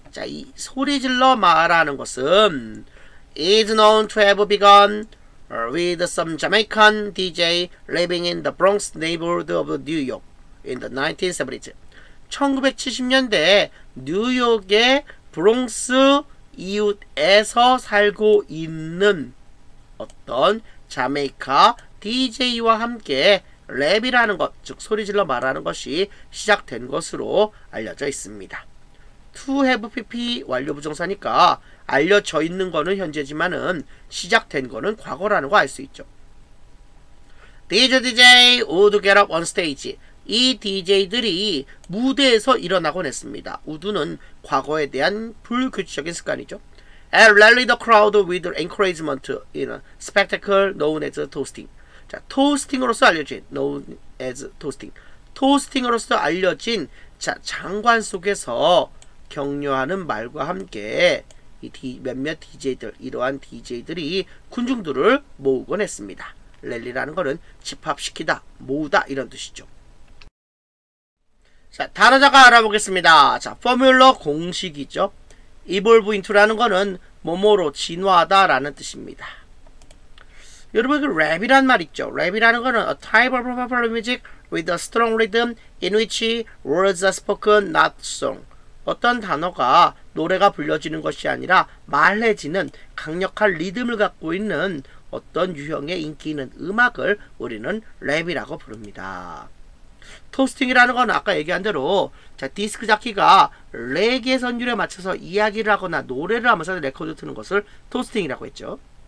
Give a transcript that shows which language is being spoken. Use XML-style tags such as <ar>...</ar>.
<en>자,</en> <ko>이 소리 질러 말하는 것은</ko> <en>is known to have begun with some Jamaican DJ living in the Bronx neighborhood of New York in the 1970s.</en> <ko>1970년대 뉴욕의 브롱스 이웃에서 살고 있는 어떤 자메이카 DJ와 함께 랩이라는 것, 즉 소리 질러 말하는 것이 시작된 것으로 알려져 있습니다. To have PP 완료 부정사니까 알려져 있는 거는 현재지만은 시작된 거는 과거라는 거 알 수 있죠.</ko> <en>These DJ would get up on stage.</en> <ko>이 DJ들이 무대에서 일어나곤 했습니다. Would는 과거에 대한 불규칙적인 습관이죠.</ko> <en>And rally the crowd with encouragement in a spectacle known as toasting.</en> <ko>자, toasting으로서 알려진 known as toasting. Toasting으로서 알려진 자, 장관 속에서 격려하는 말과 함께 이 몇몇 DJ들, 이러한 DJ들이 군중들을 모으곤 했습니다. 랠리라는 것은 집합시키다, 모으다 이런 뜻이죠. 자, 단어 잠깐 알아보겠습니다. 자, 포뮬러 공식이죠. Evolve into라는 것은 뭐뭐로 진화하다 라는 뜻입니다. 여러분, 그 랩이란 말 있죠. 랩이라는 것은</ko> <en>a type of popular music with a strong rhythm in which words are spoken, not sung.</en> <ko>어떤 단어가 노래가 불려지는 것이 아니라 말해지는 강력한 리듬을 갖고 있는 어떤 유형의 인기 있는 음악을 우리는 랩이라고 부릅니다. 토스팅이라는 건 아까 얘기한 대로 자, 디스크 자키가 레게 선율에 맞춰서 이야기를 하거나 노래를 하면서 레코드 트는 것을 토스팅이라고 했죠.</ko>